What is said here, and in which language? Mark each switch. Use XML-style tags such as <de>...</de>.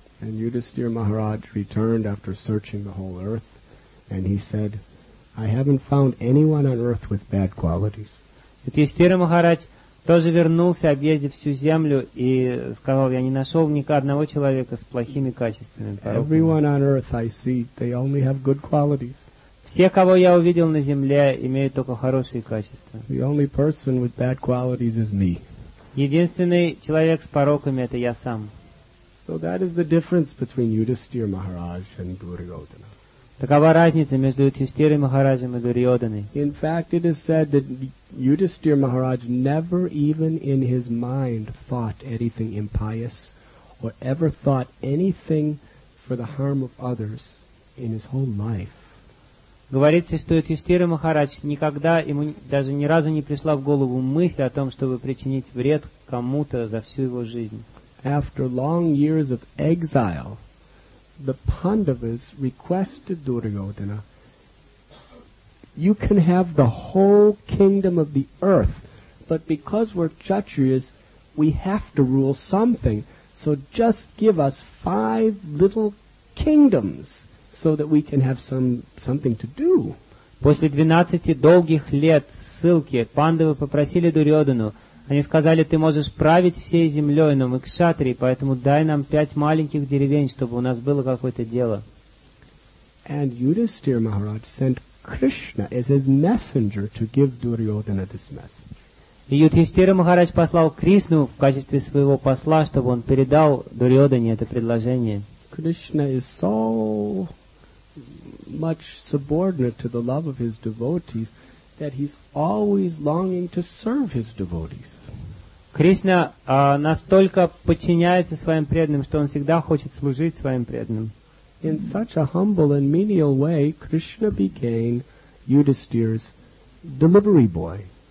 <en>And Yudhisthira Maharaj returned after searching the whole earth, and he said, "I haven't found anyone on earth with bad qualities."</en> <ru>Юдхиштхира Махарадж тоже вернулся, объездив всю землю, и сказал: "Я не нашел ни одного человека с плохими качествами, пороками."</ru> <en>Everyone on earth I see, they only have good qualities.</en> <ru>Все, кого я увидел на земле, имеют только хорошие качества.</ru> <en>The only person with bad qualities is me.</en> <ru>Единственный человек с пороками — это я сам.</ru> <en>So that is the difference between Yudhisthira Maharaj and Duryodhana.</en> <ru>Такова разница между Юдхиштхирой Махараджем и Дурьодханой.</ru> <en>In fact, it is said that Yudhisthira Maharaj never even in his mind thought anything impious or ever thought anything for the harm of others in his whole life.</en> <ru>Говорится, что Юдхиштхира Махарадж никогда, ему даже ни разу не пришла в голову мысль о том, чтобы причинить вред кому-то за всю его жизнь.</ru> <en>After long years of exile, the Pandavas requested Duryodhana, "You can have the whole kingdom of the earth, but because we're Kshatriyas, we have to rule something. So just give us 5 little kingdoms, so that we can have something to do."</en> <ru>После 12 долгих лет ссылки Пандавы попросили Дурьодхану. Они сказали: ты можешь править всей землей, но мы кшатрии, поэтому дай нам 5 маленьких деревень, чтобы у нас было какое-то дело.</ru> <en>And Yudhisthira Maharaj sent Krishna as his messenger to give Duryodhana this message.</en> <ru>Юдхиштхира Махарадж послал Кришну в качестве своего посла, чтобы он передал Дурьодхане это предложение.</ru> <en>Krishna is so much subordinate to the love of his devotees that he's always longing to serve his devotees.</en> <ru>Кришна настолько подчиняется своим преданным, что он всегда хочет служить своим преданным.</ru> <en>In such a humble and menial way, Krishna became Yudhisthira's delivery boy.</en>